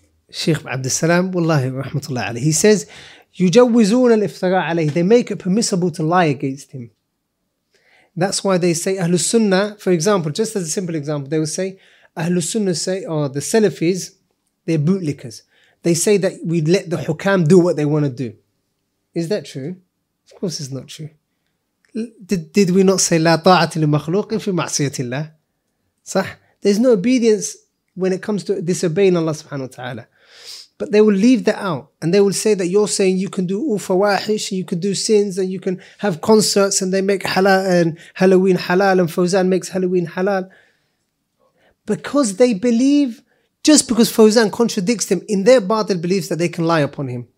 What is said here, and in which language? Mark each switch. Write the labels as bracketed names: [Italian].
[English] Sheikh Abdul Salam, wallahi rahmatullah alayhi, he says, [Arabic] يُجَوِّزُونَ الْإِفْتَرَاءَ عَلَيْهِ, [English] they make it permissible to lie against him. That's why they say Ahlul Sunnah, for example, just as a simple example, they will say, Ahlul Sunnah say, or the Salafis, they're bootlickers. They say that we let the Hukam do what they want to do. Is that true? Of course it's not true. Did we not say, [Arabic] لا طاعة للمخلوق في معصية الله? صح? [English] There's no obedience when it comes to disobeying Allah subhanahu wa ta'ala. But they will leave that out, and they will say that you're saying you can do all fawahish, and you can do sins, and you can have concerts, and they make halal and Halloween halal, and Fawzan makes Halloween halal. Because they believe, just because Fawzan contradicts them, in their batil beliefs that they can lie upon him.